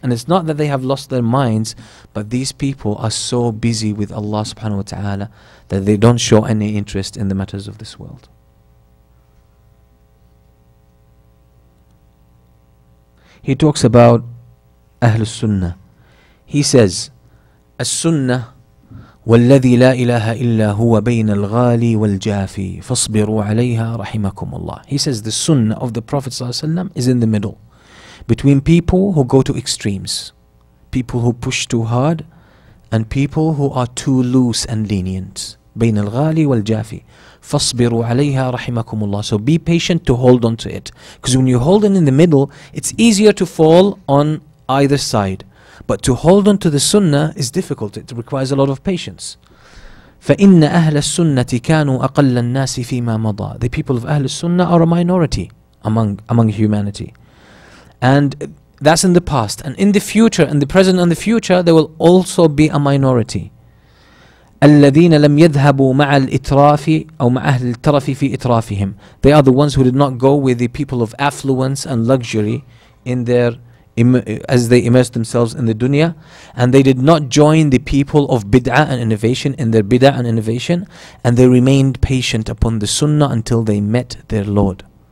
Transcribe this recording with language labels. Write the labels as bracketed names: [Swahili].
[English] And it's not that they have lost their minds, but these people are so busy with Allah subhanahu wa ta'ala that they don't show any interest in the matters of this world. He talks about Ahlul Sunnah. He says, As-Sunnah, [Arabic] وَالَّذِي لَا إِلَهَ إِلَّا هُوَ بَيْنَ الْغَالِي وَالْجَافِي فَاصْبِرُوا عَلَيْهَا رَحِمَكُمُ اللَّهِ. [English] He says the Sunnah of the Prophet ﷺ is in the middle, between people who go to extremes, people who push too hard, and people who are too loose and lenient. [Arabic] بَيْنَ الْغَالِي وَالْجَافِي فَاصْبِرُوا عَلَيْهَا رَحِمَكُمُ اللَّهِ. [English] So be patient to hold on to it. Because when you hold it in the middle, it's easier to fall on either side. But to hold on to the sunnah is difficult. It requires a lot of patience. [Arabic] فَإِنَّ أَهْلَ السُّنَّةِ كَانُوا أَقَلَّ النَّاسِ فِي مَا مَضَى. [English] The people of Ahlul Sunnah are a minority among humanity. And that's in the past. And in the future, in the present and the future, there will also be a minority. [Arabic] الذين لم يذهبوا مع الإتراف أو مع أهل الترف في إترافهم. [English] They are the ones who did not go with the people of affluence and luxury in their as they immersed themselves in the dunya, and they did not join the people of bid'ah and innovation in their bid'ah and innovation, and they remained patient upon the sunnah until they met their Lord.